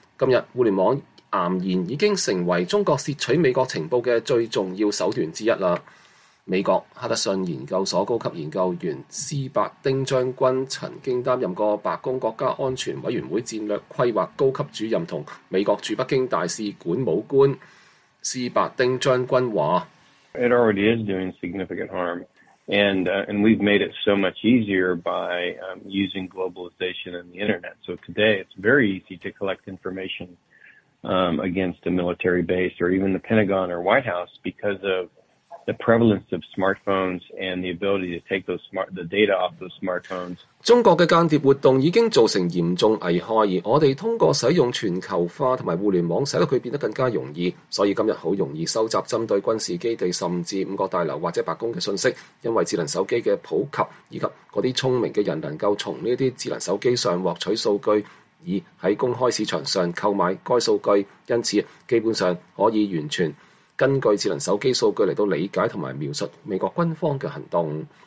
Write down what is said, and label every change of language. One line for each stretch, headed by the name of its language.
Chinese: 今日互联网岩然已经成为中国窃取美国情报的最重要手段之一了。美国哈德逊研究所高级研究员斯伯丁将军曾经担任过白宫国家安全委员会战略规划高级主任和美国驻北京大使馆武官。斯伯丁将军说，
English: It already is doing significant harm. And we've made it so much easier by using globalization and the internet. So today it's very easy to collect information against a military base or even the Pentagon or White House because of the prevalence of smartphones and the ability to take the data off those smartphones.
Chinese: 中国的间谍活动已经造成严重危害，而我们通过使用全球化和互联网使得它变得更加容易，所以今天很容易收集针对军事基地甚至五角大楼或者白宫的信息，因为智能手机的普及以及那些聪明的人能够从这些智能手机上获取数据，以在公开市场上购买该数据，因此基本上可以完全根据智能手机数据来到理解和描述美国军方的行动。